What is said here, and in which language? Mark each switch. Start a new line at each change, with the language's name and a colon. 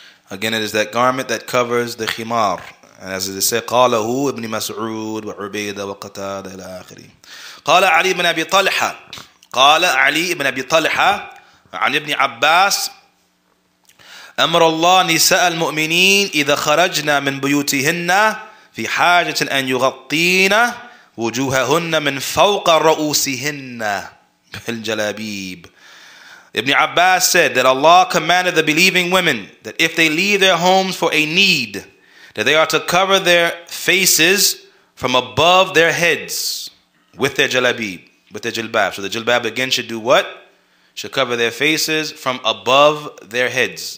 English: Again, it is that garment that covers the khimar, and as they say,
Arabic: قاله ابن مسعود وعبيدة وقتادة إلى آخره. قال علي بن أبي طلحة. قال علي بن أبي طلحة عن ابن عباس. أمر الله نساء المؤمنين إذا خرجنا من بيوتهن في حاجة أن يغطين وجوههن من فوق رؤوسهن بالجلابيب.
English: Ibn Abbas said that Allah commanded the believing women that if they leave their homes for a need, that they are to cover their faces from above their heads with their jalabib, with their jilbab. So the jilbab again should do what? Should cover their faces from above their heads.